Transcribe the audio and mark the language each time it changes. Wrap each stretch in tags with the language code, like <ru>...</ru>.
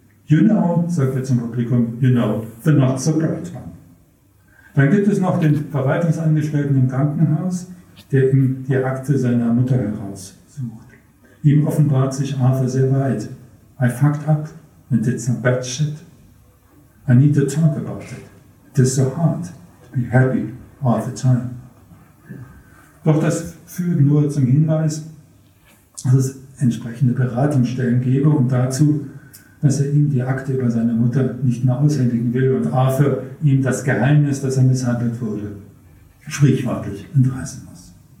<en>You know,</en> <de>sagt er zum Publikum,</de> <en>you know, the not so bright one.</en> <de>Dann gibt es noch den Verwaltungsangestellten im Krankenhaus, der ihm die Akte seiner Mutter heraussucht. Ihm offenbart sich Arthur sehr weit.</de> <en>I fucked up and did some bad shit. I need to talk about it. It is so hard to be happy all the time.</en> <de>Doch das führt nur zum Hinweis, dass es entsprechende Beratungsstellen gebe und dazu, dass er ihm die Akte über seine Mutter nicht mehr aushändigen will und Arthur ihm das Geheimnis, dass er misshandelt wurde, sprichwörtlich entreißen muss.</de>